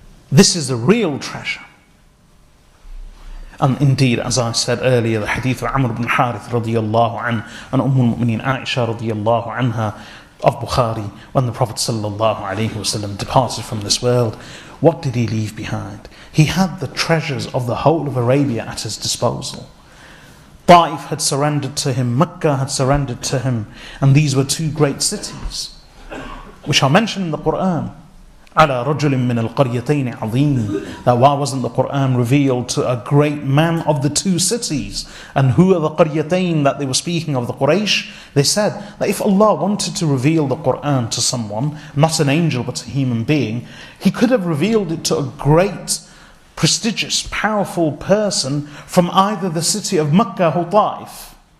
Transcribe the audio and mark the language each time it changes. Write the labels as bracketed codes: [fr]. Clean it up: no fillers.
[en] This is the real treasure. And indeed, as I said earlier, the hadith of Amr ibn Harith radiallahu anhu, and Ummul Mu'mineen Aisha radiallahu anha of Bukhari, when the Prophet sallallahu alayhi wasallam departed from this world, what did he leave behind? He had the treasures of the whole of Arabia at his disposal. Taif had surrendered to him, Mecca had surrendered to him, and these were two great cities, which are mentioned in the Qur'an. [ar] على رجل من القريتين عظيم. [en] That why wasn't the Quran revealed to a great man of the two cities? And who are the قريتين that they were speaking of, the Quraysh? They said that if Allah wanted to reveal the Quran to someone, not an angel but a human being, He could have revealed it to a great, prestigious, powerful person from either the city of Makkah or Taif.